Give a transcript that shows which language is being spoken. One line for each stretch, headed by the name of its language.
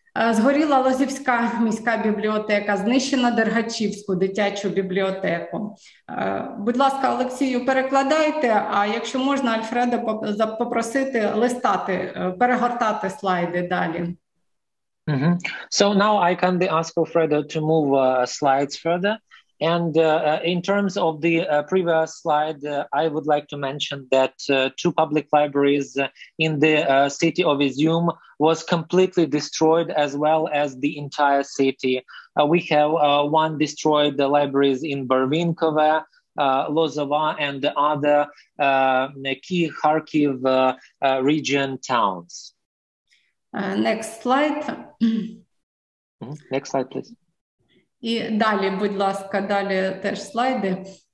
Ukrainian: Згоріла Лозівська міська бібліотека, знищена Дергачівську дитячу бібліотеку. Будь ласка, Олексію, перекладайте, а якщо можна, Альфреда попросити листати, перегортати слайди далі.
English: Mm-hmm. So now I can ask Alfredo to move slides further. And in terms of the previous slide, I would like to mention that two public libraries in the city of Izum was completely destroyed, as well as the entire city. We have one destroyed the libraries in Barvinkova, Lozova, and the other key Kharkiv region towns. Next slide. Mm-hmm. Next slide, please.
Ukrainian: І далі, будь ласка, далі теж слайди.